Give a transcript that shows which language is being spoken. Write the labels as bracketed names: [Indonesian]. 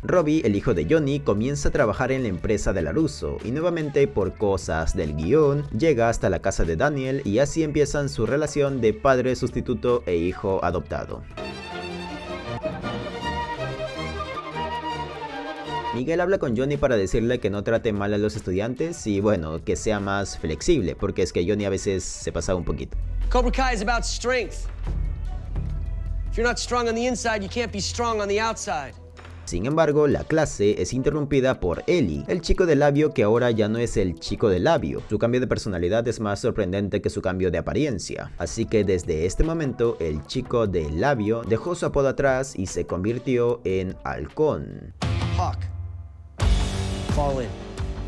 [Spanish] Robbie, el hijo de Johnny, comienza a trabajar en la empresa de LaRusso, y nuevamente, por cosas del guión, llega hasta la casa de Daniel, y así empiezan su relación de padre sustituto e hijo adoptado. Miguel habla con Johnny para decirle que no trate mal a los estudiantes, y bueno, que sea más flexible, porque es que Johnny a veces se pasa un poquito. [English] Cobra Kai is about strength. If you're not strong on the inside, you can't be strong on the outside. [Spanish] Sin embargo, la clase es interrumpida por Ellie, el chico de labio que ahora ya no es el chico de labio. Su cambio de personalidad es más sorprendente que su cambio de apariencia. Así que desde este momento, el chico de labio dejó su apodo atrás y se convirtió en Halcón. Hawk. [English] Fall in.